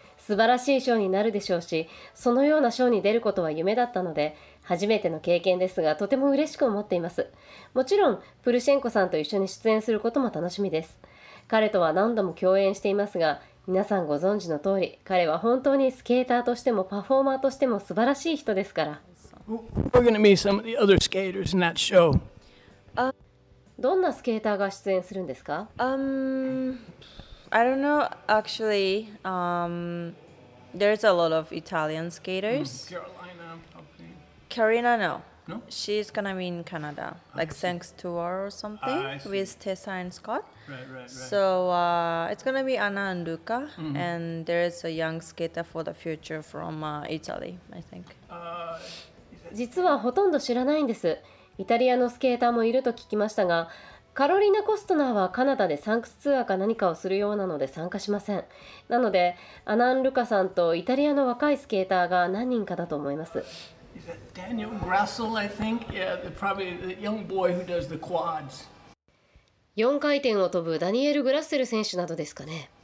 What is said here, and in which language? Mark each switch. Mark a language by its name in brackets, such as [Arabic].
[Japanese] 素晴らしいショーになるでしょうし、そのようなショーに出ることは夢だったので、初めての経験ですが、とても嬉しく思っています。もちろん、プルシェンコさんと一緒に出演することも楽しみです。彼とは何度も共演していますが、皆さんご存知の通り、彼は本当にスケーターとしてもパフォーマーとしても素晴らしい人ですから。 [English] We're gonna meet some of the other skaters in that show. [Japanese] どんなスケーターが出演するんですか? [English] I don't know, actually, there's a lot of Italian skaters. Carolina, no. She's gonna be in Canada, like thanks to her or something, with Tessa and Scott. Right. So it's gonna be Anna and Luca, and there is a young skater for the future from Italy, I think. [Japanese] 実はほとんど知らないんです。イタリアのスケーターもいると聞きましたが、カロリーナ・コストナーはカナダでサンクスツアーか何かをするようなので参加しません。なので、アナン・ルカさんとイタリアの若いスケーターが何人かだと思います。 [English] Daniel Grassel, I think? Yeah, probably the young boy who does the quads. [Japanese] 四回転を飛ぶダニエル・グラッセル選手などですかね。